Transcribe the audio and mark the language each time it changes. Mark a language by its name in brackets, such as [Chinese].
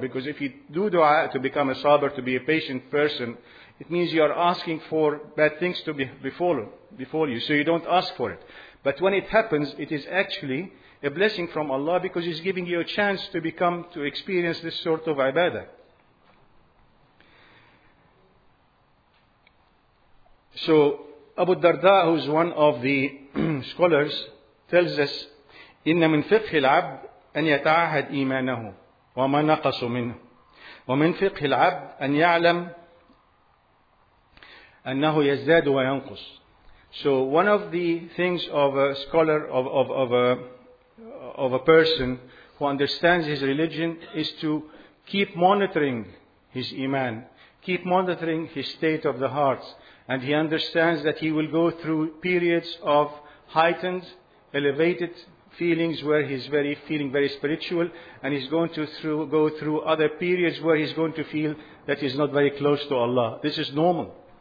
[English] Because if you do dua to become a sabr, to be a patient person, it means you are asking for bad things to befall you. So you don't ask for it. But when it happens, it is actually a blessing from Allah because He's giving you a chance to become, to experience this sort of ibadah. So Abu Darda, who is one of the scholars, tells us, [Arabic] إِنَّ مِنْ فِقْهِ الْعَبْدِ أَنْ يَتَعَهَدْ إِيمَانَهُ وَمَا نَقَصُ مِنْهُ وَمِنْ فِقْهِ الْعَبْدِ أَنْ يَعْلَمْ أَنَّهُ يَزْدَادُ وَيَنْقُصُ. [English] So one of the things of a scholar, of a person who understands his religion is to keep monitoring his iman, keep monitoring his state of the heart. And he understands that he will go through periods of heightened, elevated feelings where he's feeling very spiritual, and he's going to go through other periods where he's going to feel that he's not very close to Allah. This is normal.